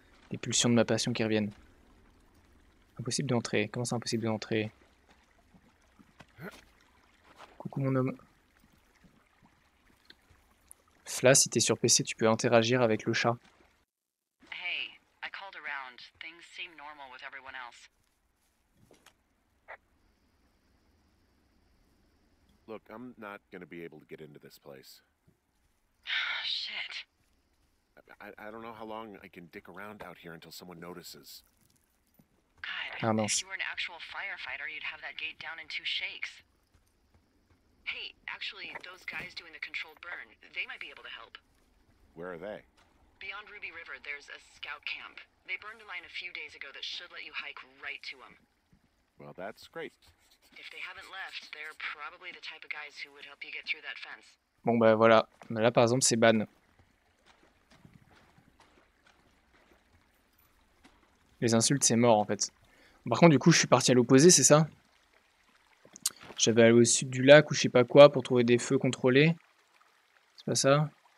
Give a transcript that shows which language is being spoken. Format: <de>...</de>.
<fr>les pulsions de ma passion qui reviennent. Impossible d'entrer. Comment c'est impossible d'entrer? Coucou, mon homme. Fla, si t'es sur PC, tu peux interagir avec le chat.</fr> <en>Hey, I called around. Things seem normal with everyone else. Look, I'm not gonna be able to get into this place. Shit. I don't know how long I can dick around out here until someone notices. God, ah, if you were an actual firefighter, you'd have that gate down in two shakes. Hey, actually, those guys doing the controlled burn, they might be able to help. Where are they? Beyond Ruby River, there's a scout camp. They burned a line a few days ago that should let you hike right to them. Well, that's great. If they haven't left, they're probably the type of guys who would help you get through that fence.</en> <fr>Bon bah voilà, là par exemple c'est ban. Les insultes c'est mort en fait. Par contre du coup je suis parti à l'opposé, c'est ça? J'avais allé au sud du lac ou je sais pas quoi pour trouver des feux contrôlés. C'est pas ça?</fr>